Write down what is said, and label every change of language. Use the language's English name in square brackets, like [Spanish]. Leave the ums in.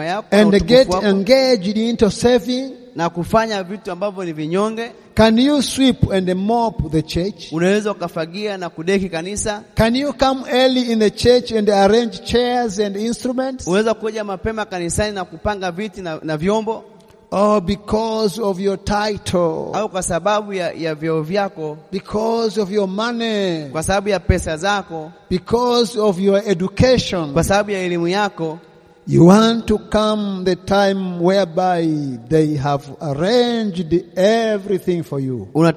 [English] And get engaged into serving? [Swahili] na kufanya vitu ambavyo ni vinyonge. [English] Can you sweep and mop the church? [Swahili] Unaweza ukafagia na kudeki kanisa. [English] Can you come early in the church and arrange chairs and instruments? [Swahili] Unaweza kuja mapema kanisani na kupanga viti na, na vyombo. [English] Oh, because of your title. [Swahili] Au kwa sababu ya, ya vyeo vyako. [English] Because of your money. [Swahili] Kwa sababu ya pesa zako. [English] Because of your education. [Swahili] Kwa sababu ya elimu yako. [English] You want to come the time whereby they have arranged everything for you.